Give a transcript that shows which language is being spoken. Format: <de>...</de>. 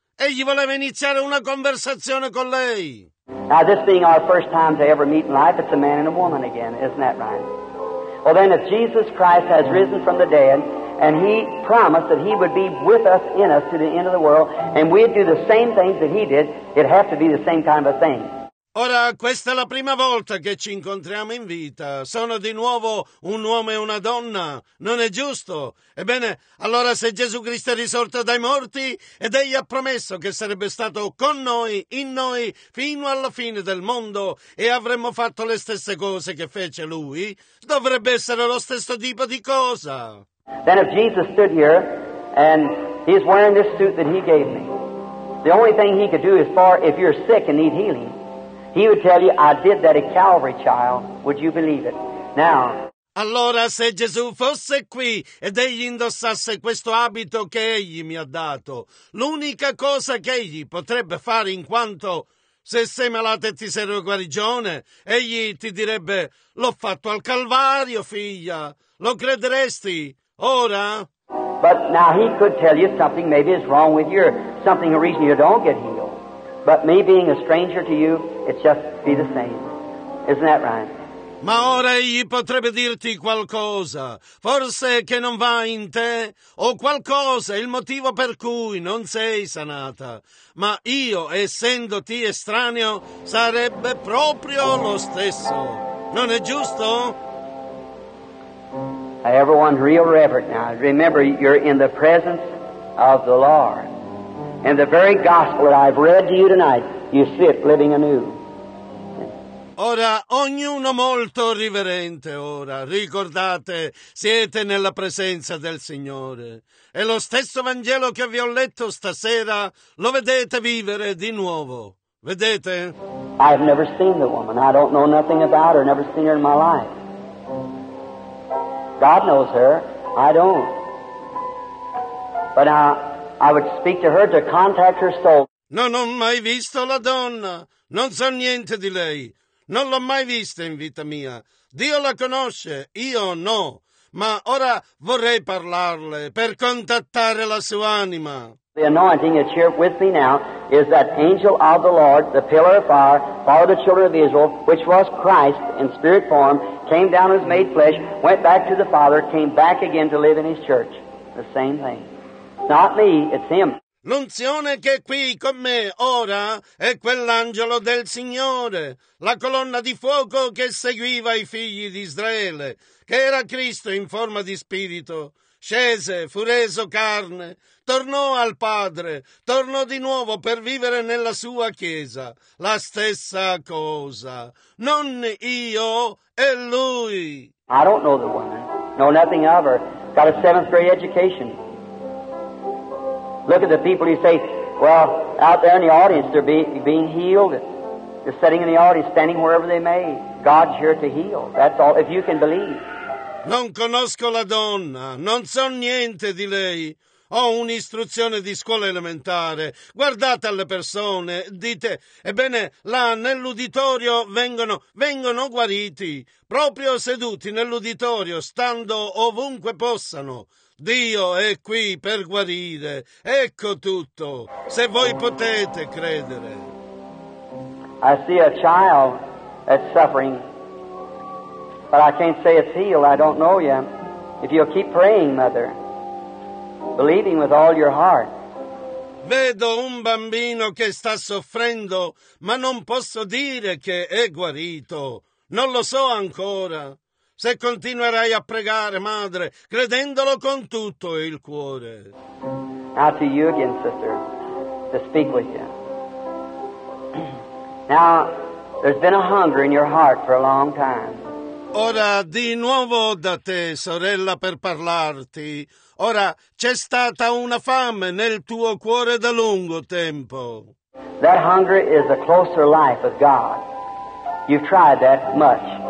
<it>Egli voleva iniziare una conversazione con lei.</it> <en>Now this being our first time to ever meet in life, it's a man and a woman again, isn't that right? Well then, if Jesus Christ has risen from the dead, and he promised that he would be with us, in us, to the end of the world, and we'd do the same things that he did, it'd have to be the same kind of a thing.</en> <it>Ora, questa è la prima volta che ci incontriamo in vita. Sono di nuovo un uomo e una donna. Non è giusto? Ebbene, allora se Gesù Cristo è risorto dai morti ed egli ha promesso che sarebbe stato con noi, in noi, fino alla fine del mondo e avremmo fatto le stesse cose che fece lui, dovrebbe essere lo stesso tipo di cosa.</it> <en>Then if Jesus stood here and he's wearing this suit that he gave me, the only thing he could do is for if you're sick and need healing, he would tell you, I did that at Calvary, child. Would you believe it? Now.</en> <it>Allora se Gesù fosse qui ed egli indossasse questo abito che egli mi ha dato, l'unica cosa che egli potrebbe fare in quanto se sei malato e ti serve guarigione, egli ti direbbe, l'ho fatto al Calvario, figlia. Lo crederesti? Ora?</it> <en>But now he could tell you something maybe is wrong with you, something a reason you don't get healed. But me being a stranger to you, it's just be the same. Isn't that right?</en> <it>Ma ora egli potrebbe dirti qualcosa, forse che non va in te, o qualcosa, il motivo per cui non sei sanata. Ma io, essendoti estraneo, sarebbe proprio lo stesso. Non è giusto?</it> <en>Everyone real reverent now. Remember, you're in the presence of the Lord. And the very gospel that I've read to you tonight, you see it living anew.</en> <it>Ora, ognuno molto riverente, ora, ricordate, siete nella presenza del Signore. E lo stesso Vangelo che vi ho letto stasera, lo vedete vivere di nuovo. Vedete?</it> <en>I've never seen the woman. I don't know nothing about her. Never seen her in my life. God knows her. I don't. But I would speak to her to contact her soul.</en> <it>Non ho mai visto la donna. Non so niente di lei. Non l'ho mai vista in vita mia. Dio la conosce, io no. Ma ora vorrei parlarle per contattare la sua anima.</it> <en>The anointing that's here with me now is that angel of the Lord, the pillar of fire, for the children of Israel, which was Christ in spirit form, came down as made flesh, went back to the Father, came back again to live in his church. The same thing. Not me, it's him.</en> <it>L'unzione che è qui con me ora è quell'angelo del Signore, la colonna di fuoco che seguiva i figli di Israele, che era Cristo in forma di spirito. Scese, fu reso carne, tornò al Padre, tornò di nuovo per vivere nella sua Chiesa. La stessa cosa. Non io, è lui.</it> <en>I don't know the woman. Know nothing of her. Got a seventh grade education. Look at the people who say, well, out there in the audience, they're being healed. They're sitting in the audience, standing wherever they may. God's here to heal. That's all, if you can believe.</en> <it>Non conosco la donna, non so niente di lei. Ho un'istruzione di scuola elementare. Guardate alle persone, dite, ebbene, là nell'uditorio vengono guariti, proprio seduti nell'uditorio, stando ovunque possano. Dio è qui per guarire. Ecco tutto. Se voi potete credere.</it> <en>I see a child that's suffering, but I can't say it's healed. I don't know yet. If you'll keep praying, mother, believing with all your heart.</en> <it>Vedo un bambino che sta soffrendo, ma non posso dire che è guarito. Non lo so ancora. Se continuerai a pregare, madre, credendolo con tutto il cuore.</it> <en>Now to you again, sister, to speak with you. Now, there's been a hunger in your heart for a long time.</en> <it>Ora, di nuovo da te, sorella, per parlarti. Ora, c'è stata una fame nel tuo cuore da lungo tempo.</it> <en>That hunger is a closer life with God. You've tried that much.</en>